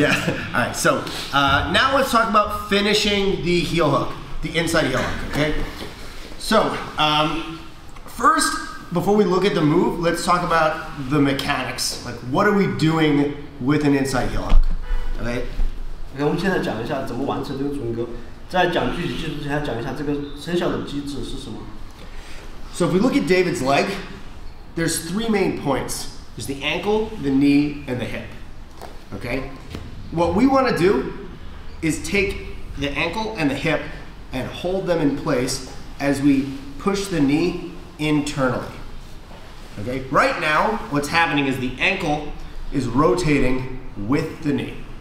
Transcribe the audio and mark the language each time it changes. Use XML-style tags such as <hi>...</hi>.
<en>Yeah. Alright, so now let's talk about finishing the heel hook, the inside heel hook, okay? So, first, before we look at the move, let's talk about the mechanics. Like, what are we doing with an inside heel hook? Okay?</en> <zh>Okay, 我们现在讲一下怎么完成这个准勾。在讲具体技术之前，讲一下这个生效的机制是什么。</zh> <en>So if we look at David's leg, there's three main points. There's the ankle, the knee, and the hip, okay? What we wanna do is take the ankle and the hip and hold them in place as we push the knee internally. Okay, right now, what's happening is the ankle is rotating with the knee.</en>